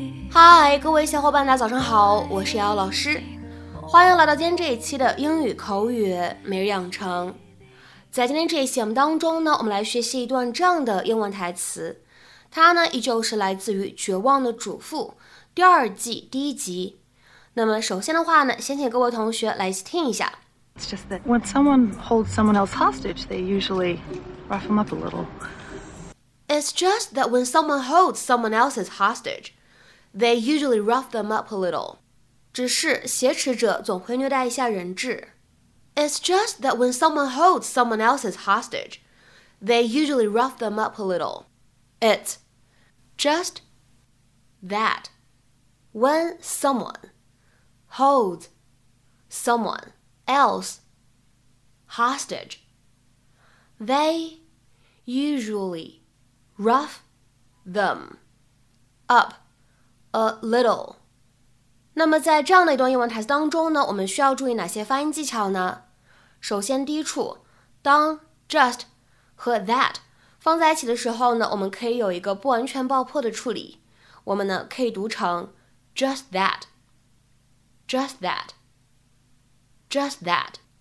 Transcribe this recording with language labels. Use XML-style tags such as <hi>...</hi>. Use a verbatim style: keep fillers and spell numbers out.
<zh>嗨，各位小伙伴大家早上好，我是瑶瑶老师，欢迎来到今天这一期的英语口语每日养成。在今天这一期节目当中呢，我们来学习一段这样的英文台词，它呢依旧是来自于《绝望的主妇》第二季第一集。那么首先的话呢，先请各位同学来一起听一下。</zh> <en>It's just that when someone holds someone else hostage, they usually rough them up a little. It's just that when someone holds someone else's hostage. They usually rough them up a little.</en> <zh>只是挟持者总会虐待一下人质。</zh> <en>It's just that when someone holds someone else's hostage, they usually rough them up a little. It's just that when someone holds someone else hostage, they usually rough them up. A little.</en> <zh>那么在这样的一段英文台词当中呢，我们需要注意哪些发音技巧呢？首先，第一处，当 just 和 that 放在一起的时候呢，我们可以有一个不完全爆破的处理。我们呢可以读成</zh> <en>just that, just that, just that。</en>